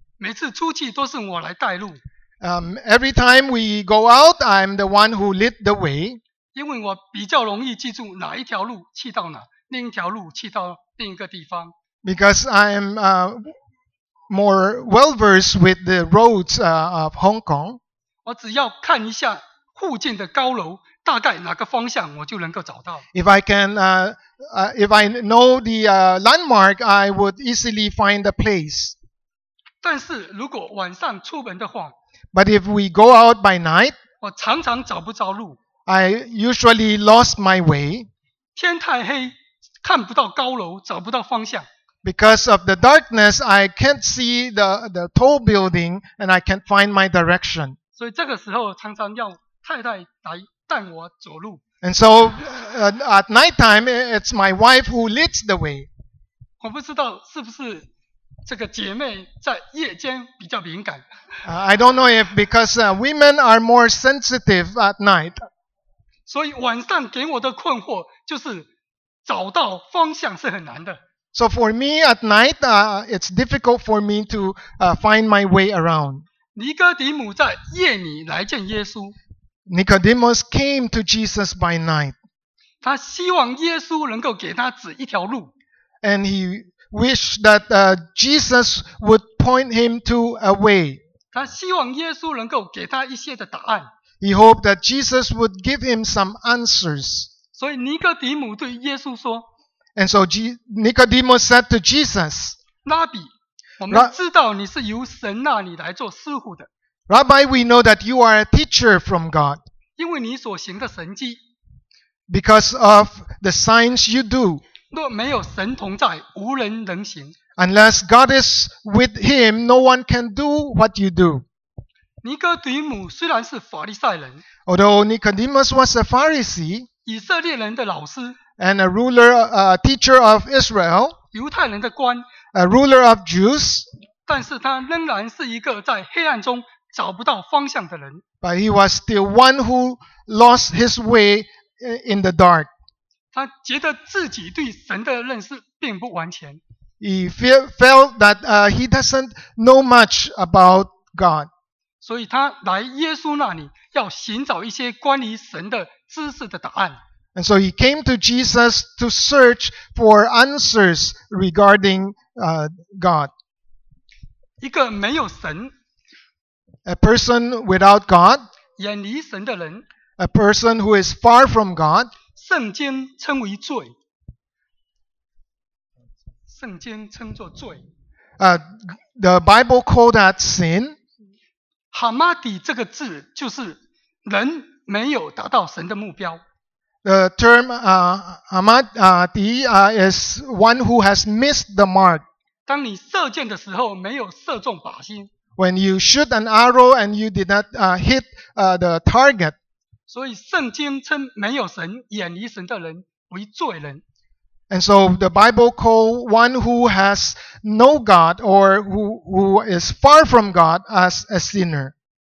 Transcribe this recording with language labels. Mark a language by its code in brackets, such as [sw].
[zh] 每次出去都是我来带路。 [en] Every time we go out, I'm the one who lead the way. [zh] 因为我比较容易记住哪一条路去到哪，另一条路去到另一个地方。 [en] Because I'm more well versed with the roads of Hong Kong. [zh] 我只要看一下附近的高楼，大概哪个方向，我就能够找到。 [en] If I can, if I know the landmark, I would easily find the place. [zh] 但是如果晚上出门的话， [en] But if we go out by night, [zh] 我常常找不着路。 [en] I usually lost my way. [zh] 天太黑，看不到高楼，找不到方向。 [en] Because of the darkness, I can't see the tall building and I can't find my direction. [zh] 所以这个时候常常要太太来带我走路。 [en] And so, at night time, it's my wife who leads the way. [zh] 我不知道是不是这个姐妹在夜间比较敏感。 [en] I don't know if because women are more sensitive at night. [zh] 所以晚上给我的困惑就是找到方向是很难的。 [en] So for me at night, it's difficult for me to find my way around. [zh] 尼哥底母在夜里来见耶稣。 [en] Nicodemus came to Jesus by night. [zh] 他希望耶稣能够给他指一条路。 [en] And he wish that Jesus would point him to a way. [zh] 他希望耶稣能够给他一些的答案。 [en] He hoped that Jesus would give him some answers. [zh] 所以尼哥底母对耶稣说 [en] And so Nicodemus said to Jesus, [zh] 拉比，我们知道你是由神那里来做师傅的。 [en] Rabbi, we know that you are a teacher from God. [zh] 因为你所行的神迹。 [en] Because of the signs you do. [zh] 若没有神同在，无人能行。 [en] Unless God is with him, no one can do what you do. [zh] 尼哥底母虽然是法利赛人 [en] ，although Nicodemus was a Pharisee, [zh] 以色列人的老师 [en] ，and a ruler, a teacher of Israel, [zh] 犹太人的官 [en] ，a ruler of Jews, [zh] 但是他仍然是一个在黑暗中找不到方向的人。 [en] But he was still one who lost his way in the dark. [zh] 他觉得自己对神的认识并不完全。 [en] He felt that he doesn't know much about God. [zh] 所以他来耶稣那里要寻找一些关于神的知识的答案。 [en] And so he came to Jesus to search for answers regarding God. [zh] 一个没有神 [en] ，a person without God， [zh] 远离神的人 [en] ，a person who is far from God。 [zh] 圣经称为罪，圣经称作罪。 [en] The Bible called that sin. [zh] Hamadi 这个字就是人没有达到神的目标。 [en] The term Hamadi is one who has missed the mark. [zh] 当你射箭的时候没有射中靶心。 [en] When you shoot an arrow and you did not hit the target. [zh] 所以圣经称没有神、远离神的人为罪人。 [en] And so the Bible calls one who has no God or who is far from God as a sinner.